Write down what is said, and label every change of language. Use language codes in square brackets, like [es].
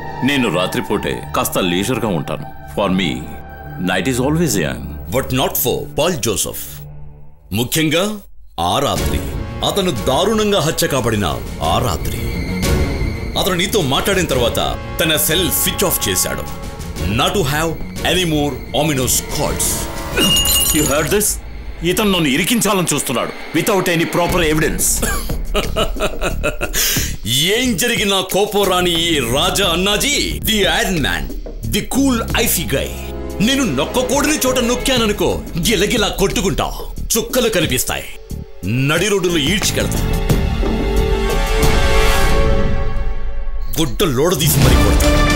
[te] నేను రాత్రిపూటే కాస్త లీజర్గా ఉంటాను. [en] For me night is always young. But not for Paul Joseph. [te] ముఖ్యంగా ఆ రాత్రి, అతను దారుణంగా హత్య కాబడిన ఆ రాత్రి. అతను నీతో మాట్లాడిన తర్వాత తన సెల్ స్విచ్ ఆఫ్ చేశాడు. [en] Not to have any more ominous calls. You heard this? [te] ఇతను నన్ను ఇరికించాలని చూస్తున్నాడు [en] Without any proper evidence. [te] ఏం జరిగిన కోపం రాని ఈ రాజా అన్నాజీ, [en] The iron man, the cool icy guy. [te] నేను నొక్కకూడని చోట నొక్కాననుకో, గిలగిలా కొట్టుకుంటా, చుక్కలు కనిపిస్తాయి, నడి రోడ్డులు ఈడ్చికెళ్తా, గుడ్డ లోడదీసి మరీ కొడతా.